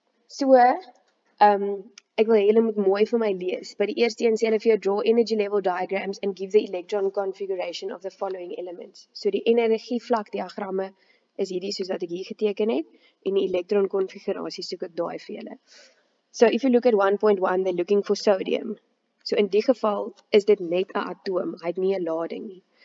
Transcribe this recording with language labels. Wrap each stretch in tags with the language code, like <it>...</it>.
<af>So, ek wil hê julle moet mooi vir my lees. By die eerste een sê hulle vir jou</af> <en>draw energy level diagrams and give the electron configuration of the following elements.</en> <af>So die energievlak diagramme is hierdie soos wat ek hier geteken het en die elektron konfigurasie soek ek daai vir julle.</af> <en>So if you look at 1.1, they're looking for sodium.</en> <af>So in die geval is dit net 'n atoom, hy het nie 'n lading nie.</af>